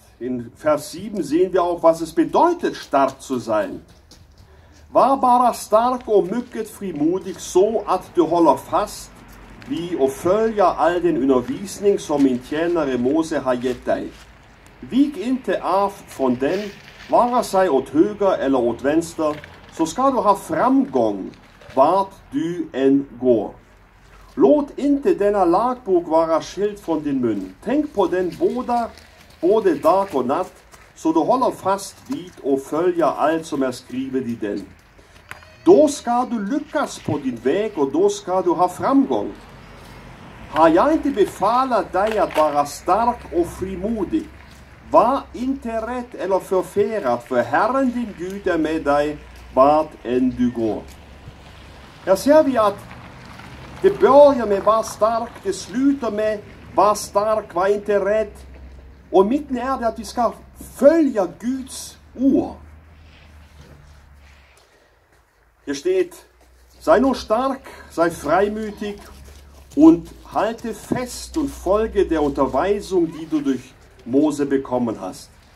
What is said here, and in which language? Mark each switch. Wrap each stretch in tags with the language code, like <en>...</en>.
<de>In Vers 7 sehen wir auch, was es bedeutet, stark zu sein.</de> <sv>Var bara stark och mycket frimodig så att du håller fast vid och följer all den undervisning som min tjänare Mose har gett dig. Vik inte av från den, vare sig åt höger eller åt vänster, så ska du ha framgång vart du än går. Låt inte denna lagbok vara skild från din mun. Tänk på den både dag och natt, så du håller fast vid och följer allt som är skrivet i den. Då ska du lyckas på din väg och då ska du ha framgång. Har jag inte befallat dig att vara stark och frimodig? Var inte rädd eller förfärad, för Herren din Gud är med dig vart än du går. Här ser vi att det börjar med var stark, det slutar med var stark, var inte rädd. Och mitten är det att vi ska följa Guds ord. Det står,</sv> <de>sei nur stark, sei freimütig und halte fest und folge der Unterweisung, die du durch Mose bekommen hast.</de>